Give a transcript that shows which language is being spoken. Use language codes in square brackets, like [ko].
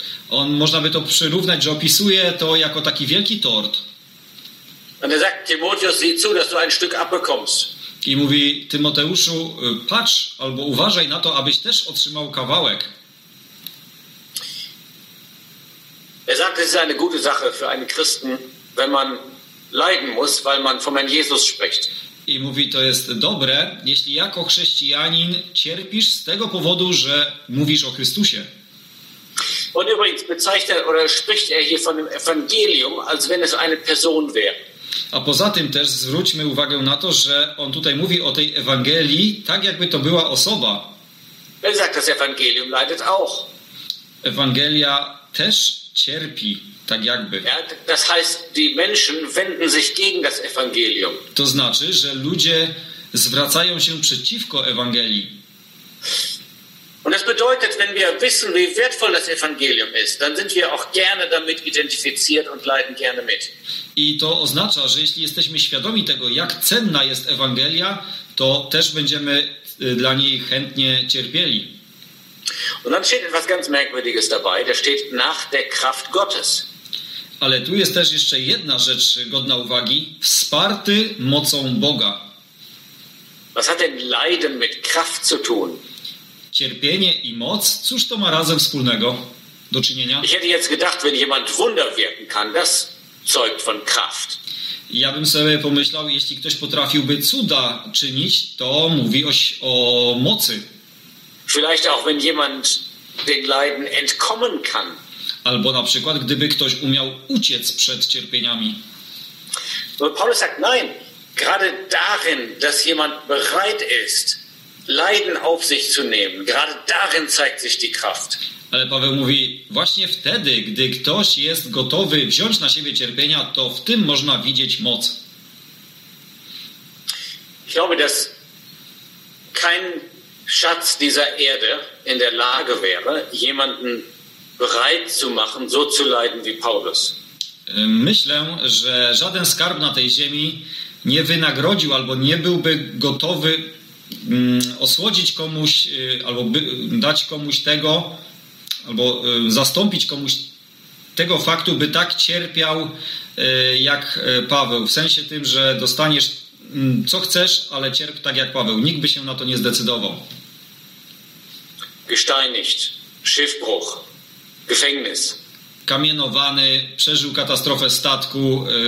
[pl] On można by to przyrównać, że opisuje to jako taki wielki tort. [de] Und er sagt, Timotheus, sieh zu, dass du ein Stück abbekommst. [pl] I mówi, Tymoteuszu, patrz albo uważaj na to, abyś też otrzymał kawałek. [de] Er sagt, es ist eine gute Sache für einen Christen, wenn man leiden muss, weil man vom Herrn Jesus spricht. [pl] I mówi, to jest dobre, jeśli jako chrześcijanin cierpisz z tego powodu, że mówisz o Chrystusie. [de] Und übrigens bezeichnet oder spricht er hier von dem Evangelium, als wenn es eine Person wäre. [pl] A poza tym też zwróćmy uwagę na to, że on tutaj mówi o tej Ewangelii tak, jakby to była osoba. [de] Er sagt, das Evangelium leidet auch. [pl] Ewangelia też cierpi, tak jakby. [de] Ja, das heißt, die Menschen wenden sich gegen das Evangelium. [pl] To znaczy, że ludzie zwracają się przeciwko Ewangelii. [de] Und das bedeutet, wenn wir wissen, wie wertvoll das Evangelium ist, dann sind wir auch gerne damit identifiziert und leiden gerne mit. [pl] I to oznacza, że jeśli jesteśmy świadomi tego, jak cenna jest Ewangelia, to też będziemy dla niej chętnie cierpieli. [de] Und dann steht etwas ganz Merkwürdiges dabei. Da steht nach der Kraft Gottes. [pl] Ale tu jest też jeszcze jedna rzecz godna uwagi. Wsparty mocą Boga. [de] Was hat denn Leiden mit Kraft zu tun? [pl] Cierpienie i moc, cóż to ma razem wspólnego do czynienia? [de] Ich hätte jetzt gedacht, wenn jemand Wunder wirken kann, das zeugt von Kraft. [pl] Ja bym sobie pomyślał, jeśli ktoś potrafiłby cuda czynić, to mówi o mocy. [de] Vielleicht auch, wenn jemand den Leiden entkommen kann. [pl] Albo na przykład, gdyby ktoś umiał uciec przed cierpieniami. [de] Aber Paulus sagt, nein, gerade darin, dass jemand bereit ist, Leiden auf sich zu nehmen. Gerade darin zeigt sich die Kraft. [pl] Ale Paweł mówi, właśnie wtedy, gdy ktoś jest gotowy wziąć na siebie cierpienia, to w tym można widzieć moc. [de] Ich glaube, dass kein Schatz dieser Erde in der Lage wäre, jemanden bereit zu machen, so zu leiden wie Paulus. [pl] Myślę, że żaden skarb na tej ziemi nie wynagrodził albo nie byłby gotowy osłodzić komuś albo dać komuś tego albo zastąpić komuś tego faktu, by tak cierpiał jak Paweł, w sensie tym, że dostaniesz co chcesz, ale cierp tak jak Paweł. Nikt by się na to nie zdecydował. [de] Gesteinigt, Schiffbruch, Gefängnis. [pl] Kamienowany, przeżył katastrofę statku.